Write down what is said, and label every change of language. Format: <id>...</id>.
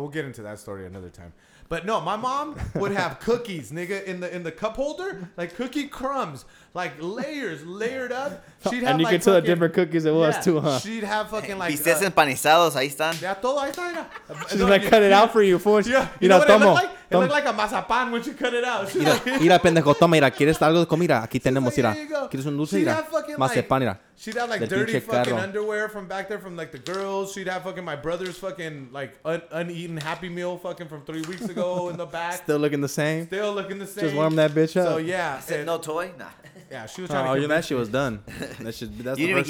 <en>We'll get into that story another time. But no, my mom would have cookies, nigga, in the cup holder, like cookie crumbs, like layers, layered up. She'd have and you like can tell the different cookies it was, too, huh? She'd have fucking like...</en> <es>¿Viste en panizados? Ahí están. Ya todo, ahí están.</es> <en>She's going to cut it out for you, fool. Yeah. You know what it looked like? It looked like a mazapán when she cut it out.</en> <es>Mira, mira, pendejo, toma, mira, ¿quieres algo de comida? Aquí tenemos, mira. ¿Quieres un dulce? Mira, mazapán, mira.</es> <en>She'd have like dirty fucking underwear from back there from like the girls. She'd have fucking my brother's fucking like uneaten Happy Meal fucking from 3 weeks ago in the back. Still looking the same. Still looking the same. Just warm that bitch up. So yeah. I said, no toy? Nah. Yeah, she was trying to get that shit was done. That's you didn't first</en>